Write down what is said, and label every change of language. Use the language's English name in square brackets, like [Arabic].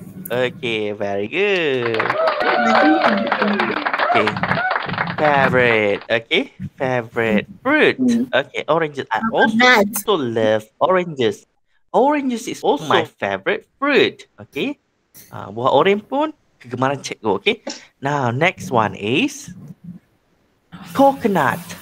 [English] Okay, very good. Okay, favorite. Okay, favorite fruit. Okay, oranges. I also love oranges. Oranges is also my favorite fruit. [Malay] Okay, buah oranges pun kegemaran cikgu. [English] Okay, now next one is coconut.